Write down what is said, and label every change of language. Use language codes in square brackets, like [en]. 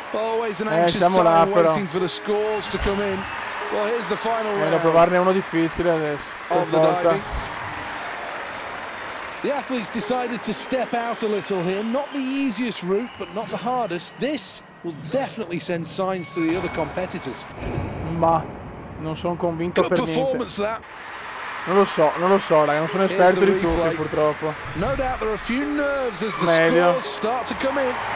[en] Always an anxious time waiting for the scores to come in. Well, here's the final round. [it] Voglio provarne uno difficile adesso. [en] Of the diving. The athletes decided to step out a little here. Not the easiest route, but not the hardest. This will definitely send signs to the other competitors. [it] Ma non sono convinto per niente. [en] Good performance that. [it] Non lo so, raga, non sono esperto di tutti, purtroppo. [en] No doubt there are a few nerves as the scores start to come in.